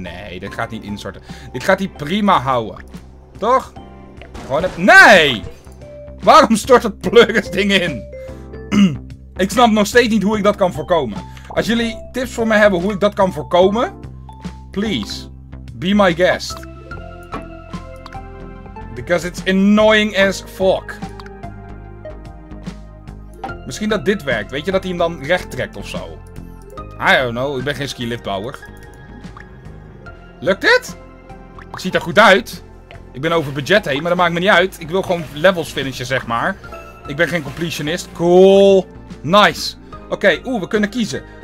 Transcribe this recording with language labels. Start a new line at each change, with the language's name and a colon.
Dutch: Nee, dit gaat niet instorten. Dit gaat hij prima houden. Toch? Gewoon het... Nee! Waarom stort het pleuris ding in? Ik snap nog steeds niet hoe ik dat kan voorkomen. Als jullie tips voor mij hebben hoe ik dat kan voorkomen...
English: Please. Be my guest. Because it's annoying as fuck.
Dutch: Misschien dat dit werkt. Weet je dat hij hem dan recht trekt of zo?
English: I don't know.
Dutch: Ik ben geen skiliftbouwer. Lukt dit? Het ziet er goed uit. Ik ben over budget heen, maar dat maakt me niet uit. Ik wil gewoon levels finishen, zeg maar. Ik ben geen completionist. Cool. Nice. Oké, we kunnen kiezen.